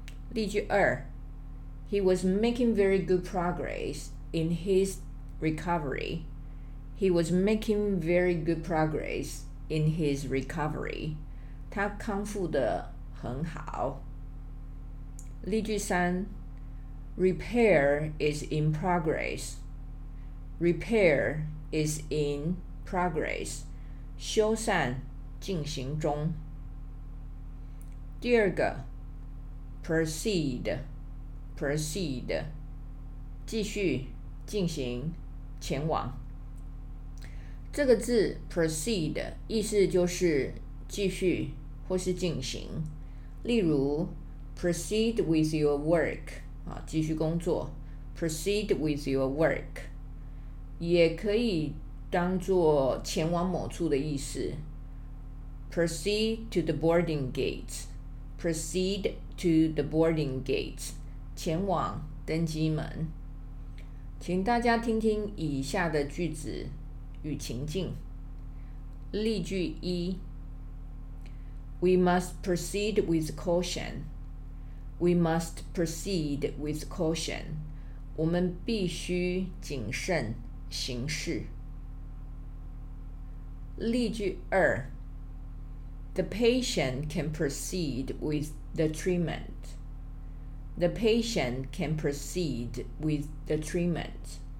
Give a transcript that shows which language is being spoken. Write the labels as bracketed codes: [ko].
[zh] 例句二， [en] He was making very good progress in his recovery. [zh] 他康复得很好。例句三， [en] Repair is in progress. [zh] 修缮进行中。第二个， Proceed. 继续进行前往。这个字 proceed 意思就是继续或是进行，例如 [en] proceed with your work， [zh] 继续工作， [en] proceed with your work [zh] 也可以当作前往某处的意思， [en] proceed to the boarding gates [zh] 前往登机门。请大家听听以下的句子与情境。例句一， [en] We must proceed with caution. [zh] 我们必须谨慎行事。例句二， [en] The patient can proceed with the treatment.